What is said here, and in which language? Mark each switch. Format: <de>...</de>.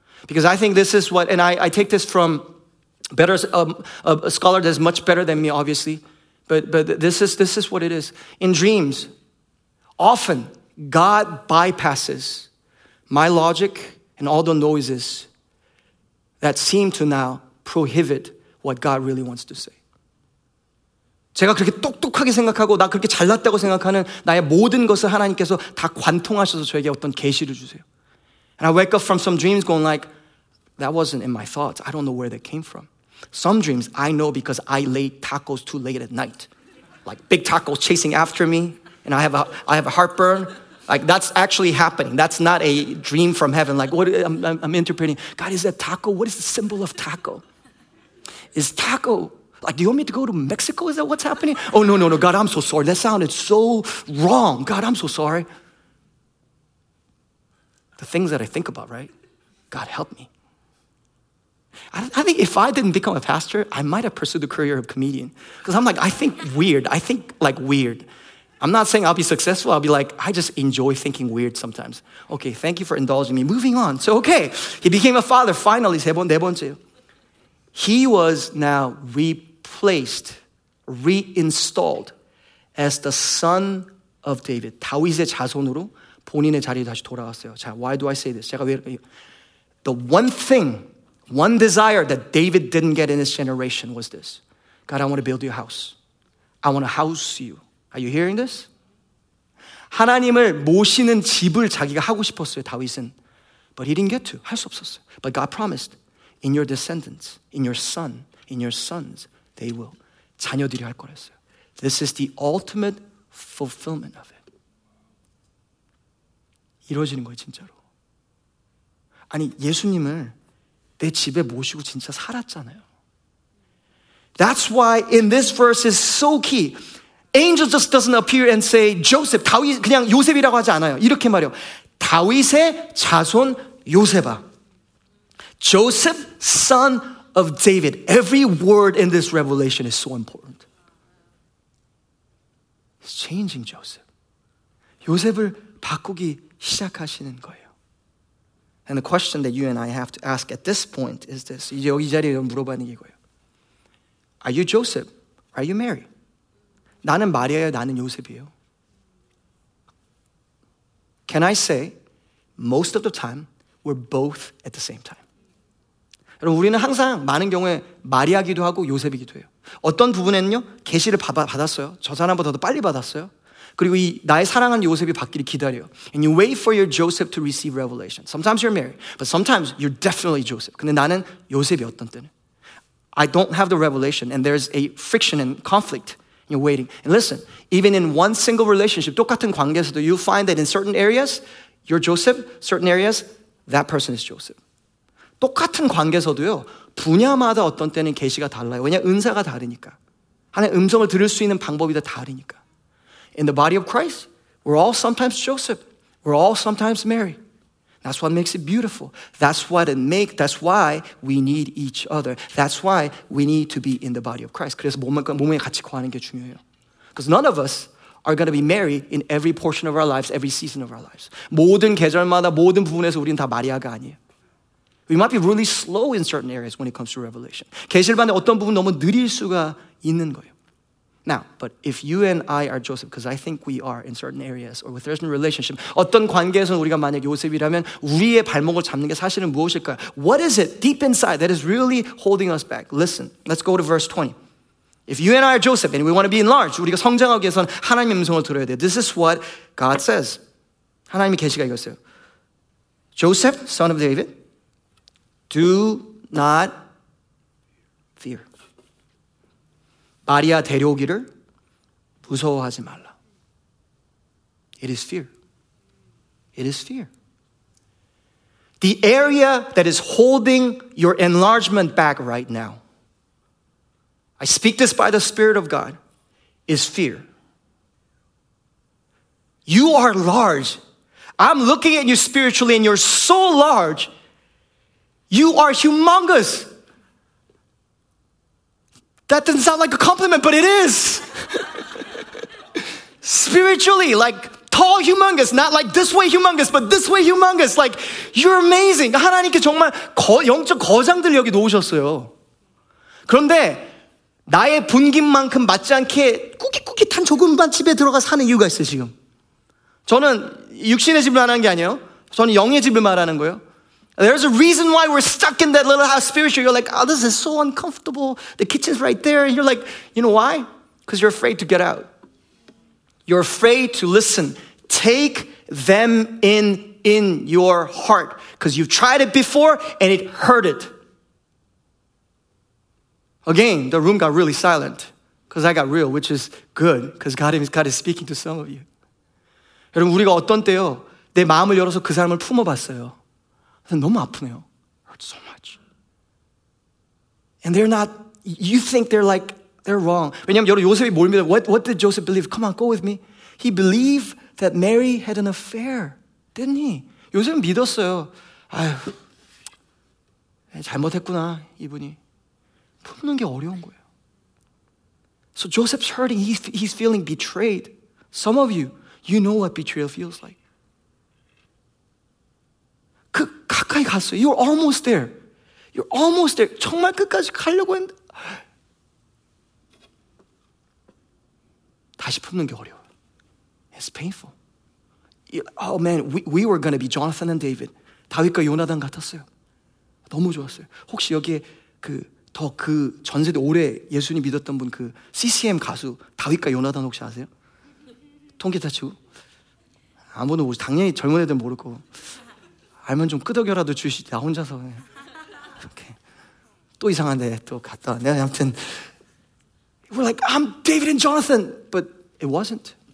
<en>Because I think this is what, and I take this from better, a scholar that is much better than me, obviously. But this is what it is. In dreams, often God bypasses my logic and all the noises that seem to now prohibit what God really wants to say.</en> <ko>제가 그렇게 똑똑하게 생각하고 나 그렇게 잘났다고 생각하는 나의 모든 것을 하나님께서 다 관통하셔서 저에게 어떤 계시를 주세요.</ko> <en>And I wake up from some dreams going like, that wasn't in my thoughts. I don't know where that came from. Some dreams I know because I laid tacos too late at night. Like big tacos chasing after me and I have a heartburn. Like that's actually happening. That's not a dream from heaven. Like what I'm interpreting. God, is that taco? What is the symbol of taco? Is taco, like do you want me to go to Mexico? Is that what's happening? Oh no, no, no. God, I'm so sorry. That sounded so wrong. God, I'm so sorry. The things that I think about, right? God, help me. I think if I didn't become a pastor, I might have pursued the career of comedian. Because I'm like, I think weird. I think like weird. I'm not saying I'll be successful. I'll be like, I just enjoy thinking weird sometimes. Okay, thank you for indulging me. Moving on. So okay, he became a father. Finally,</en> <ko>네 번째.</ko> <en>He was now replaced, reinstalled as the son of David.</en> <ko>다윗의 자손으로 본인의 자리에 다시 돌아왔어요. 자,</ko> <en>why do I say this?</en> <ko>제가 왜 이렇게,</ko> <en>the one thing, one desire that David didn't get in his generation was this. God, I want to build your house. I want to house you. Are you hearing this?</en> <ko>하나님을 모시는 집을 자기가 하고 싶었어요, 다윗은.</ko> <en>But he didn't get to.</en> <ko>할 수 없었어요.</ko> <en>But God promised, in your descendants, in your son, in your sons, they will.</en> <ko>자녀들이 할 거랬어요.</ko> <en>This is the ultimate fulfillment of it.</en> <ko>이루어지는 거예요, 진짜로. 아니, 예수님을 내 집에 모시고 진짜 살았잖아요.</ko> <en>That's why in this verse is so key. Angel just doesn't appear and say, Joseph,</en> <ko>다윗, 그냥 요셉이라고 하지 않아요. 이렇게 말해요. 다윗의 자손 요셉아.</ko> <en>Joseph, son of David. Every word in this revelation is so important. He's changing Joseph.</en> <ko>요셉을 바꾸기 시작하시는 거예요.</ko> <en>And the question that you and I have to ask at this point is this.</en> <ko>이제 여기 자리에 물어보는 게 이거예요.</ko> <en>Are you Joseph? Are you Mary?</en> <ko>나는 마리아예요. 나는 요셉이에요.</ko> <en>Can I say, most of the time, we're both at the same time.</en> <ko>여러분, 우리는 항상 많은 경우에 마리아기도 하고 요셉이기도 해요. 어떤 부분에는요, 계시를 받았어요. 저 사람보다도 빨리 받았어요. 그리고 이 나의 사랑하는 요셉이 받기를 기다려요.</ko> <en>And you wait for your Joseph to receive revelation. Sometimes you're Mary, but sometimes you're definitely Joseph.</en> <ko>근데 나는 요셉이 어떤 때는.</ko> <en>I don't have the revelation, and there's a friction and conflict. You're waiting. And listen, even in one single relationship,</en> <ko>똑같은 관계에서도</ko> <en>you find that in certain areas, you're Joseph, certain areas, that person is Joseph.</en> <ko>똑같은 관계에서도요, 분야마다 어떤 때는 계시가 달라요. 왜냐, 은사가 다르니까. 하나님의 음성을 들을 수 있는 방법이 다 다르니까.</ko> <en>In the body of Christ, we're all sometimes Joseph. We're all sometimes Mary. That's what makes it beautiful. That's why we need each other. That's why we need to be in the body of Christ.</en> <ko>그래서 몸에 같이 거하는 게 중요해요.</ko> <en>Because none of us are going to be Mary in every portion of our lives, every season of our lives.</en> <ko>모든 계절마다 모든 부분에서 우리는 다 마리아가 아니에요.</ko> <en>We might be really slow in certain areas when it comes to revelation.</en> <ko>계시를 받는 어떤 부분 너무 느릴 수가 있는 거예요.</ko> <en>Now, but if you and I are Joseph, because I think we are in certain areas or with certain relationship,</en> <ko>어떤 관계에서 우리가 만약 요셉이라면 우리의 발목을 잡는 게 사실은 무엇일까요?</ko> <en>What is it deep inside that is really holding us back? Listen, let's go to verse 20. If you and I are Joseph and we want to be enlarged,</en> <ko>우리가 성장하기 위해서는 하나님의 음성을 들어야 돼요.</ko> <en>This is what God says.</en> <ko>하나님의 계시가 이겼어요.</ko> <en>Joseph, son of David, do not fear.</en> <ko>마리아 데려오기를 무서워하지 말라.</ko> <en>It is fear. It is fear. The area that is holding your enlargement back right now, I speak this by the Spirit of God, is fear. You are large. I'm looking at you spiritually and you're so large. You are humongous. That doesn't sound like a compliment, but it is. Spiritually, like tall humongous, not like this way humongous, but this way humongous. Like, you're amazing.</en> <ko>하나님께 정말 영적 거장들 여기 놓으셨어요. 그런데 나의 분깃만큼 맞지 않게 꾸깃꾸깃한 조그만 집에 들어가 사는 이유가 있어요, 지금. 저는 육신의 집을 말하는 게 아니에요. 저는 영의 집을 말하는 거예요.</ko> <en>There's a reason why we're stuck in that little house spiritually. You're like, oh, this is so uncomfortable. The kitchen's right there. You're like, you know why? Because you're afraid to get out. You're afraid to listen. Take them in your heart. Because you've tried it before and it hurt it. Again, the room got really silent. Because I got real, which is good. Because God is speaking to some of you.</en> <ko>여러분, 우리가 어떤 때요? 내 마음을 열어서 그 사람을 품어봤어요. 너무 아프네요.</ko> <en>Hurts so much. And they're not, you think they're like, they're wrong.</en> <ko>왜냐면 여러분, 요셉이 뭘 믿어요?</ko> <en>What did Joseph believe? Come on, go with me. He believed that Mary had an affair, didn't he?</en> <ko>요셉은 믿었어요. 아휴, 잘못했구나, 이분이. 품는 게 어려운 거예요.</ko> <en>So Joseph's hurting. He's feeling betrayed. Some of you, you know what betrayal feels like.</en> <ko>그 가까이 갔어요.</ko> <en>You're almost there. You're almost there.</en> <ko>정말 끝까지 가려고 했는데 다시 품는 게 어려워.</ko> <en>It's painful. Oh man, we were going to be Jonathan and David.</en> <ko>다윗과 요나단 같았어요. 너무 좋았어요. 혹시 여기에 그 전세대 오래 예수님 믿었던 분 그 CCM 가수 다윗과 요나단 혹시 아세요? 통기타 치고 아무도 모르죠. 당연히 젊은 애들 모르고 알면 좀 끄덕여라도 주시지. 나 혼자서 이렇게 또 이상한데 또 갔다. 내가 아무튼</ko> <en>we're like I'm David and Jonathan, but it wasn't.</en>